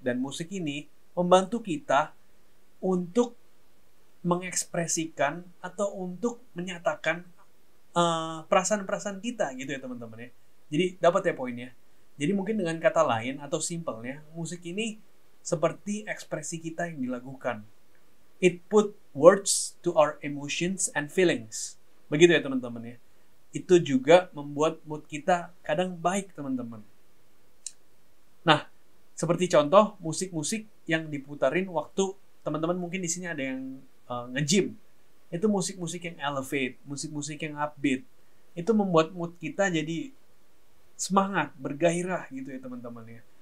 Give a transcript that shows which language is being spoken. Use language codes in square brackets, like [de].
[id] Dan musik ini membantu kita untuk mengekspresikan atau untuk menyatakan perasaan-perasaan kita. Gitu ya teman-teman ya. Jadi dapat ya poinnya. Jadi mungkin dengan kata lain atau simpelnya, musik ini seperti ekspresi kita yang dilakukan. [en] It put words to our emotions and feelings. [id] Begitu ya teman-teman ya. Itu juga membuat mood kita kadang baik teman-teman. Nah, seperti contoh musik-musik yang diputarin waktu teman-teman mungkin di sini ada yang nge-gym. Itu musik-musik yang elevate, musik-musik yang upbeat. Itu membuat mood kita jadi semangat, bergairah gitu ya teman-teman ya.